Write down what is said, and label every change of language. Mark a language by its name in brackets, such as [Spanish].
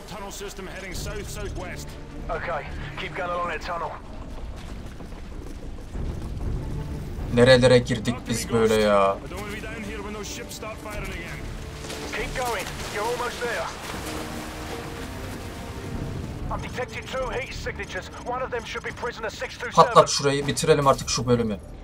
[English] System heading south southwest. Okay, keep going along that tunnel. [Turkish] Nerelere girdik biz böyle ya? [English] Keep going. You're almost there. I've detected two heat signatures. One of them should be prisoner 627. [Turkish] Patlat şurayı, bitirelim artık şu bölümü.